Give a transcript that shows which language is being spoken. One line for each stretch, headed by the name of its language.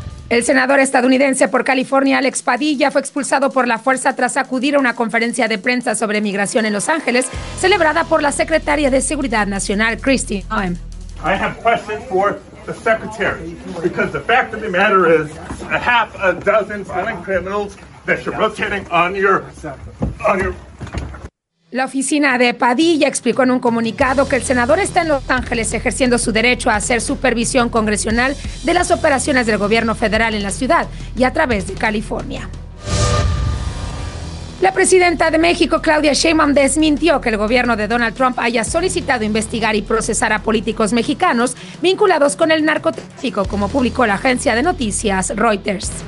Spanish: El senador estadounidense por California, Alex Padilla, fue expulsado por la fuerza tras acudir a una conferencia de prensa sobre migración en Los Ángeles, celebrada por la secretaria de Seguridad Nacional, Kristi Noem.
English: I have questions for the secretary, because the fact of the matter is a half a dozen violent criminals that you're rotating on your...
Spanish: La oficina de Padilla explicó en un comunicado que el senador está en Los Ángeles ejerciendo su derecho a hacer supervisión congresional de las operaciones del gobierno federal en la ciudad y a través de California. La presidenta de México, Claudia Sheinbaum, desmintió que el gobierno de Donald Trump haya solicitado investigar y procesar a políticos mexicanos vinculados con el narcotráfico, como publicó la agencia de noticias Reuters.